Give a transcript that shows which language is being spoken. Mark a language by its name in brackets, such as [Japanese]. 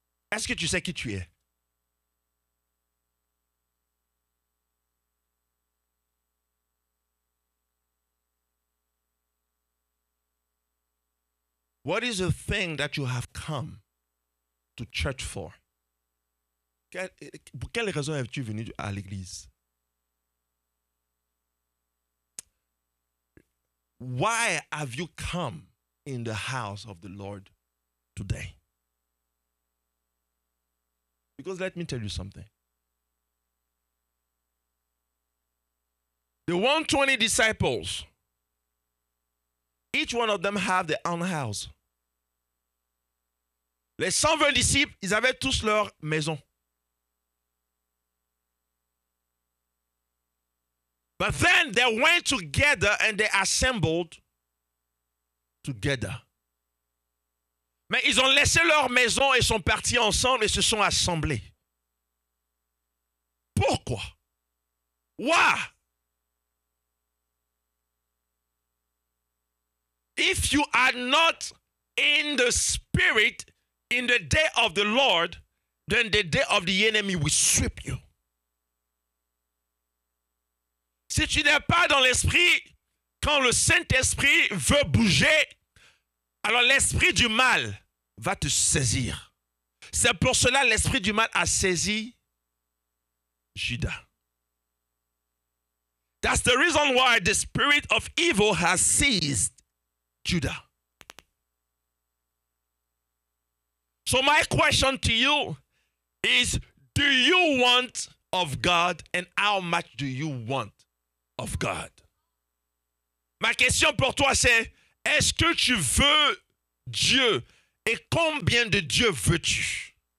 [English] Ask it, you say, kit you here. What is the thing that you have come to church for? [French] Pour quelle raison es-tu venu à l'église? [English] Why have you come in the house of the Lord today? Because let me tell you something. The 120 disciples, each one of them have their own house. [French] Les 120 disciples, ils avaient tous leur maison. [English] But then they went together and they assembled together. [French] Mais ils ont laissé leur maison et sont partis ensemble et se sont assemblés. Pourquoi? [English] Why? If you are not in the spirit in the day of the Lord, then the day of the enemy will sweep you. [French] Si tu n'es pas dans l'esprit, quand le Saint-Esprit veut bouger, alors l'esprit du mal va te saisir. C'est pour cela que l'esprit du mal a saisi Judas. [English] That's the reason why the spirit of evil has seized Judas. So my question to you is, do you want of God and how much do you want of God? [French] Ma question pour toi c'est, est-ce que tu veux Dieu et combien de Dieu veux-tu?